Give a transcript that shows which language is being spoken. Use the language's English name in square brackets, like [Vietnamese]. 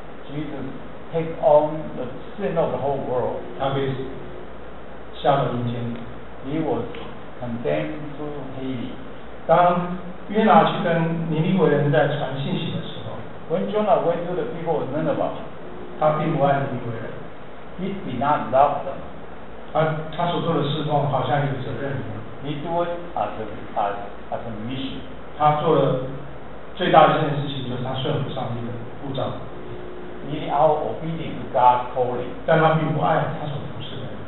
[English] Jesus take on the sin of the whole world. [Chinese] 他被下到阴间。 [English] He was condemned to Hades. [Chinese] 当约拿去跟尼尼微人在传信息的时候 [English] ，When Jonah went to the people of Nineveh, [Chinese] 他并不爱尼尼微人。 [English] He did not love them. [Chinese] 他所做的事奉好像有责任一样。 [English] He do it as a mission. [Chinese] 他做了最大的一件事情，就是他顺服上帝的呼召。 [English] He out obedient to God's calling， [Chinese] 但他并不爱他所服侍的人。